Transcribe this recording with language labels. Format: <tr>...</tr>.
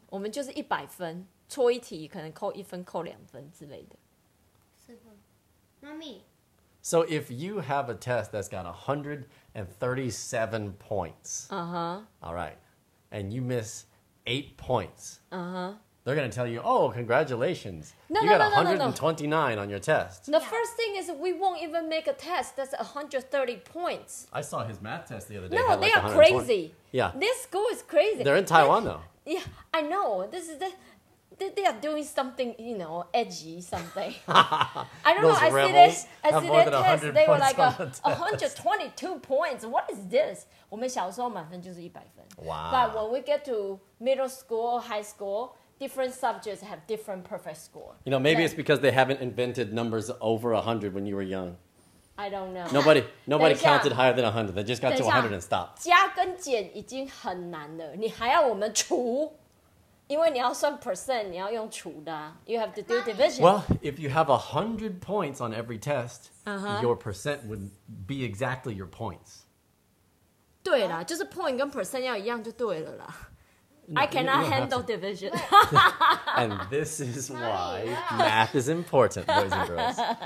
<zh>我们就是100分, 错一题可能扣1分扣2分之类的.</zh> <en>Mommy. So if you have a test that's got 137 points, uh-huh. All right, and you miss 8 points, uh-huh. They're going to tell you, oh, congratulations. You got 129 on your test. The first thing is we won't even make a test that's 130 points. I saw his math test the other day. No, they are crazy. Yeah. This school is crazy. They're in Taiwan, though. Yeah, I know. This is the... They are doing something, you know, edgy something. I don't Those know. I see this. I see their test. They were like 122 points. What is this?</en> <zh>我们小时候满分就是100分.</zh> <en>Wow. But when we get to middle school, high school, different subjects have different perfect score. You know, maybe it's because they haven't invented numbers over 100 when you were young. I don't know. Nobody counted higher than 100. They just got to 100 and stopped.</en> <zh>加跟减已经很难了，你还要我们除。因为你要算 percent, 你要用除的,</zh> <en>you have to do division. Well, if you have 100 points on every test, your percent would be exactly your points.</en> <zh>对啦, 就是 point 跟 percent 要一样就对了啦.</zh> <en>No, I cannot handle division. And this is why math is important, boys and girls.</en>